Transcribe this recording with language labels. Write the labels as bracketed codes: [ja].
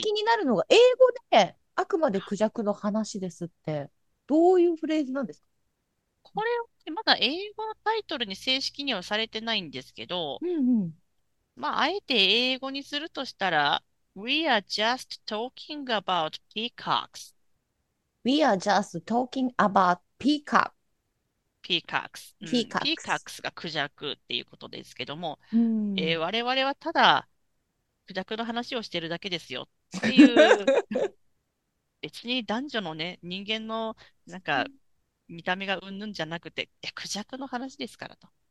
[ja] 気になるのが、英語で、あくまで孔雀の話ですって、どういうフレーズなんですこれ、まだ英語のタイトルに正式にはされてないんですけど、か？うんうん。まあ、あえて英語にするとしたら、 [en] We are just talking about peacocks. We are just talking about peacock. peacocks. [ja] うん、 [en] Peacocks. [ja] peacocks がクジャクっていうことですけども、うん。我々はただクジャクの話をしてるだけですよっていう、う別に男女のね、人間のなんか、見た目がうんぬんじゃなくて、クジャクの話ですからと